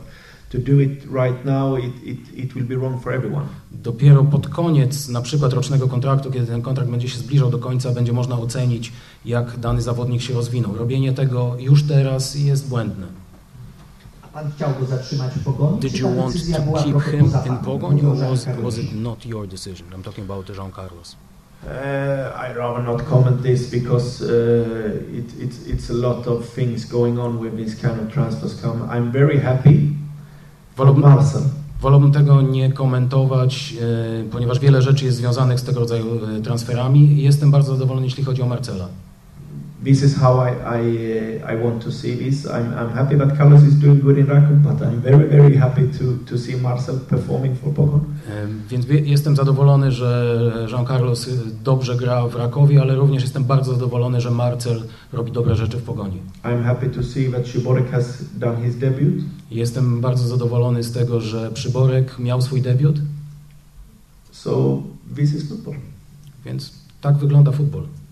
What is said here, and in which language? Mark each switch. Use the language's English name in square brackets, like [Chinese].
[English] But to do it right now, it will be wrong for everyone. [Polish] Dopiero pod koniec, na przykład rocznego kontraktu, kiedy ten kontrakt będzie się zbliżał do końca, będzie można ocenić, jak dany zawodnik się rozwinął. Robienie tego już teraz jest błędne. A pan chciał go zatrzymać w Pogoni? [English] Did you want to keep him in Pogoni, or was it not your decision? I'm talking about Jean Carlos. I rather not comment this because it's a lot of things going on with this kind of transfers come. I'm very happy. [Polish] Wolałbym tego nie komentować, ponieważ wiele rzeczy jest związanych z tego rodzaju transferami. Jestem bardzo zadowolony, jeśli chodzi o Marcela. [English] This is how I want to see this. I'm happy that Carlos is doing good in Rakov, but I'm very, very happy to see Marcel performing for Pogoń. [Polish] Więc jestem zadowolony, że Jean Carlos dobrze gra w Rakowie, ale również jestem bardzo zadowolony, że Marcel robi dobre rzeczy w Pogoni. [English] I'm happy to see that Przyborek has done his debut. [Polish] Jestem bardzo zadowolony z tego, że Przyborek miał swój debiut. [English] So this is football. [Polish] Więc tak wygląda football.